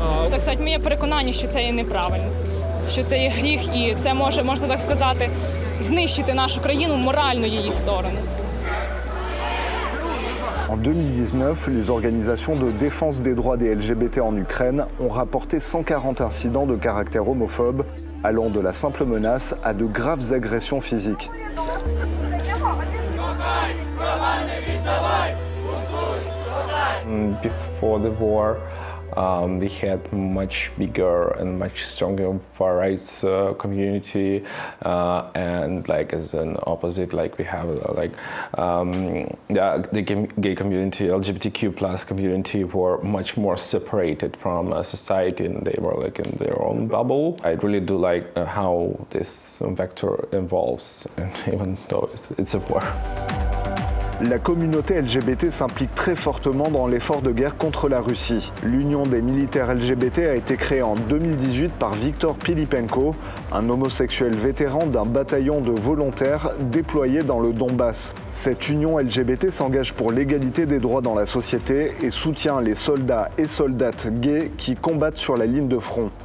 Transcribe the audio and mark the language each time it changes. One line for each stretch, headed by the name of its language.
Russian: Так сказать,
Ukrainian: моє переконання, що це є неправильно, що це є гріх, і це може, можна так сказати, знищити нашу країну морально її сторону.
French: En 2019, les organisations de défense des droits des LGBT en Ukraine ont rapporté 140 incidents de caractère homophobe, allant de la simple menace à de graves agressions physiques.
English: Before the war, we had much bigger and much stronger far rights community, and like as an opposite, like we have like the gay community, LGBTQ plus community were much more separated from society, and they were like in their own bubble. I really do like how this vector evolves, and even though it's a war.
French: La communauté LGBT s'implique très fortement dans l'effort de guerre contre la Russie. L'Union des militaires LGBT a été créée en 2018 par Viktor Pilipenko, un homosexuel vétéran d'un bataillon de volontaires déployé dans le Donbass. Cette union LGBT s'engage pour l'égalité des droits dans la société et soutient les soldats et soldates gays qui combattent sur la ligne de front.